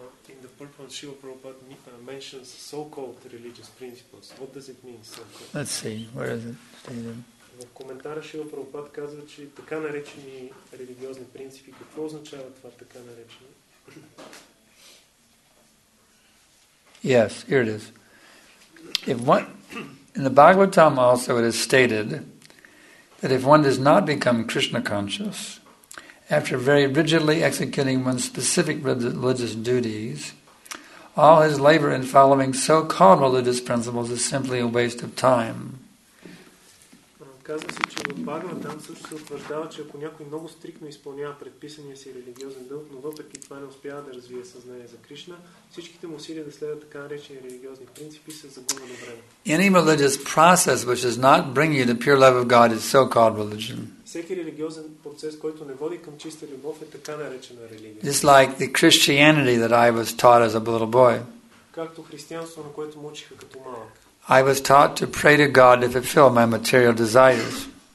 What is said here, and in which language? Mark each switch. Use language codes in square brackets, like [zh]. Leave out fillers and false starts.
[en] In the purpose, Srila Prabhupada mentions so-called religious principles. What does it mean, so-called? Let's see. Where is it? In the [bg] commentary, Srila Prabhupada казва, че така наречени религиозни принципи, какво означава това така наречено? [en] Yes, here it is. If one, in the Bhagavatam also it is stated that if one does not become Krishna conscious, after very rigidly executing one's specific religious duties, all his labor in following so-called religious principles is simply a waste of time. [bg] Казва се, че в Бхагаватам също се утвърждава, че ако някой много стриктно изпълнява предписания си религиозен дълг, но въпреки това не успява да развие съзнание за Кришна, всичките му усилия да следват така наречени религиозни принципи са загубено време. [en] Any religious process which does not bring you to pure love of God is so-called religion. [bg] Всеки религиозен процес, който не води към чиста любов, е така наречена религия. [en] Just like the Christianity that I was taught as a little boy. [bg] Както християнство, на което ме учиха като малък. [en] I was taught to pray to God to fulfill my material desires.